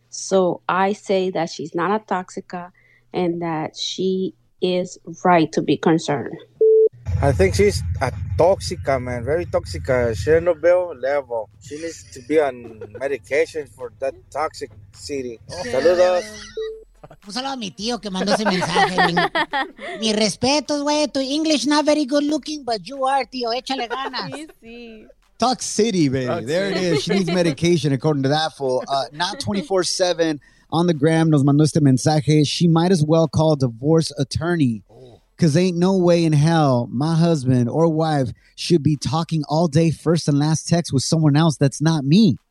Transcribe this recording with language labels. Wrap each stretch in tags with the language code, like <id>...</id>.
<en>So I say that she's not a toxica and that she is right to be concerned. I think she's a toxica, man. Very toxica. Chernobyl level. She needs to be on medication for that toxic city.</en> <es>Oh. Saludos. Un saludo a mi tío que mandó ese mensaje. Mi respeto, güey.</es> <en>Tu English not very good looking, but you are, tío.</en> <es>Échale ganas. Sí, sí.</es> <en>Tox City, baby. Tox there City. It is. She needs medication, according to that fool. Not 24/7 on the gram.</en> <es>Nos mandó este mensaje.</es> <en>She might as well call a divorce attorney. Because ain't no way in hell my husband or wife should be talking all day first and last text with someone else that's not me.</en>